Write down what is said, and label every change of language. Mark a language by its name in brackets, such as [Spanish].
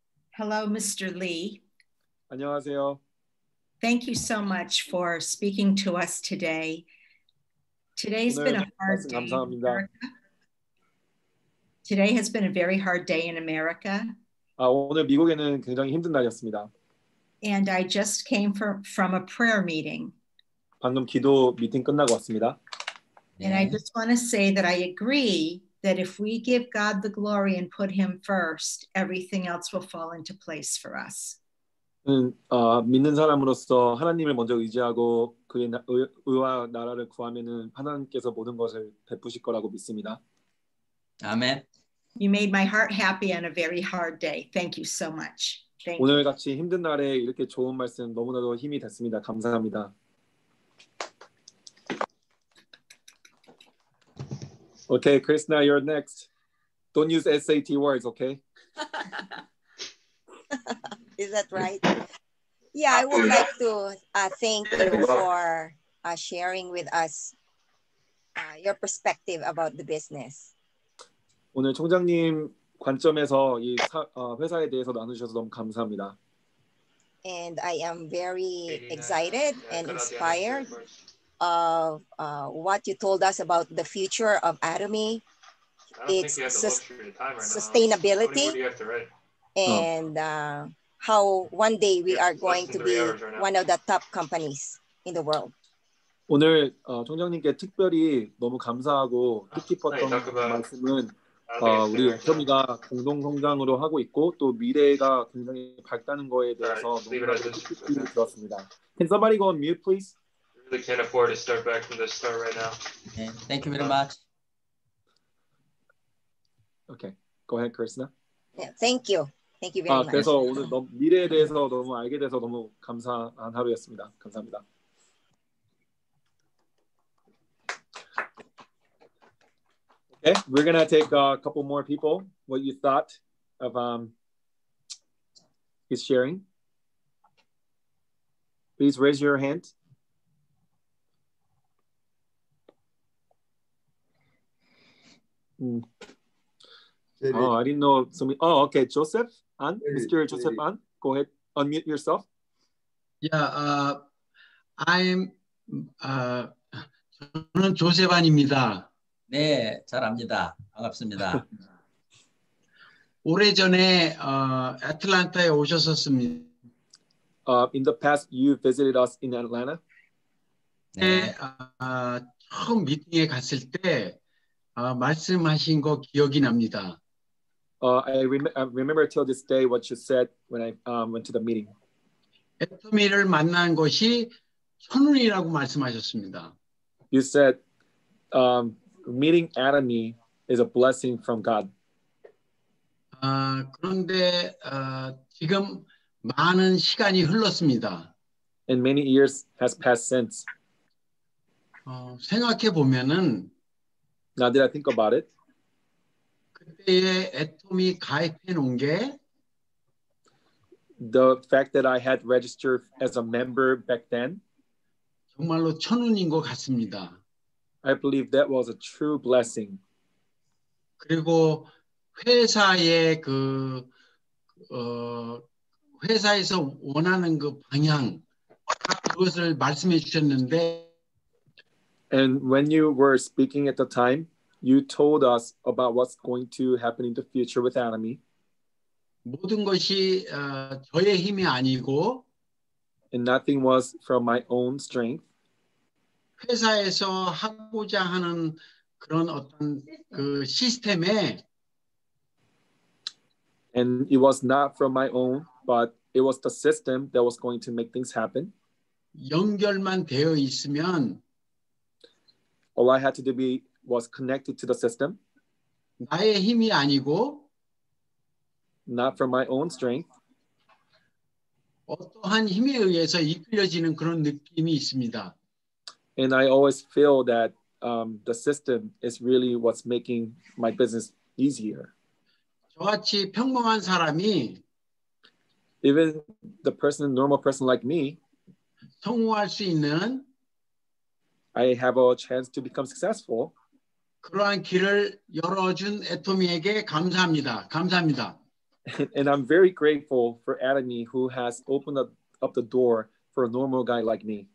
[English] Hello, Mr. Lee. [Korean] 안녕하세요. [English] Thank you so much for speaking to us today. Today's [Korean] 오늘, [English] been a hard [Korean] 말씀, [English] day. [Korean] 감사합니다. [English] Today has been a very hard day in America. [Korean] 아, 오늘 미국에는 굉장히 힘든 날이었습니다. [English] And I just came from a prayer meeting. [Korean] 방금 기도 미팅 끝나고 왔습니다. [English] And I just want to say that I agree that if we give God the glory and put him first, everything else will fall into place for us. [Korean] 믿는 사람으로서 하나님을 먼저 의지하고 그의 의와 나라를 구하면은 하나님께서 모든 것을 베푸실 거라고 믿습니다. 아멘. [English] You made my heart happy on a very hard day. Thank you so much. Thank [Korean] 오늘 같이 힘든 날에 이렇게 좋은 말씀 너무나도 힘이 됐습니다. 감사합니다. [English] Okay, Krishna, you're next. Don't use SAT words, okay? Is that right? Yeah, I would like to thank you for sharing with us your perspective about the business. [Korean] 오늘 총장님 관점에서 이 회사에 대해서 나누셔서 너무 감사합니다. [English] And I am very excited and inspired of what you told us about the future of Atomy. It's sustainability. And how one day we are going to be one of the top companies in the world. [Korean] 오늘 총장님께 특별히 너무 감사하고 뜻깊었던 말씀은 우리 협의가 공동 성장으로 하고 있고 또 미래가 굉장히 밝다는 거에 대해서 너무 들었습니다. [English] Can somebody go on mute, please? Really can't afford to start back from the start right now. Okay. Thank you very much. Okay, go ahead, Krishna. Yeah, thank you. Thank you very much. [Korean] 그래서 오늘 미래에 대해서 너무 알게 돼서 너무 감사한 하루였습니다. 감사합니다. [English] Okay, we're gonna take a couple more people. What you thought of his sharing? Please raise your hand. Mm. Oh, I didn't know. Somebody, oh, okay, Joseph An, Mr. Joseph An, go ahead, unmute yourself. Yeah, I'm. [Korean] 저는 조셉 안입니다. 네, 잘 압니다. 반갑습니다. 오래전에 애틀랜타에 오셨었습니다. [English] In the past, you visited us in Atlanta? [Korean] 네, 처음 미팅에 갔을 때 말씀하신 거 기억이 납니다. [English] I remember till this day what you said when I went to the meeting. [Korean] 애터미를 만난 것이 천운이라고 말씀하셨습니다. [English] You said meeting Atomy is a blessing from God. [Korean] 그런데 지금 많은 시간이 흘렀습니다. [English] And many years has passed since. [Korean] 생각해 보면은 [English] Now that I think about it. [Korean] 그때에 애터미 가입해 놓은 게 [English] The fact that I had registered as a member back then [Korean] 정말로 천운인 것 같습니다. [English] I believe that was a true blessing. [Korean] 그리고 회사의 그 회사에서 원하는 그 방향 그것을 말씀해 주셨는데 [English] And when you were speaking at the time, you told us about what's going to happen in the future with Atomy. [Korean] 모든 것이 저의 힘이 아니고 [English] And nothing was from my own strength. [Korean] 회사에서 하고자 하는 그런 어떤 그 시스템에 [English] And it was not from my own, but it was the system that was going to make things happen. [Korean] 연결만 되어 있으면 [English] All I had to do was connected to the system. [Korean] 나의 힘이 아니고 [English] Not from my own strength. [Korean] 어떠한 힘에 의해서 이끌려지는 그런 느낌이 있습니다. [English] And I always feel that the system is really what's making my business easier. [Korean] 저같이 평범한 사람이 [English] even the person, normal person like me, [Korean] 성공할 수 있는 [English] I have a chance to become successful. [Korean] 그러한 길을 열어준 애토미에게 감사합니다. 감사합니다. [English] And I'm very grateful for Atomy who has opened up the door for a normal guy like me.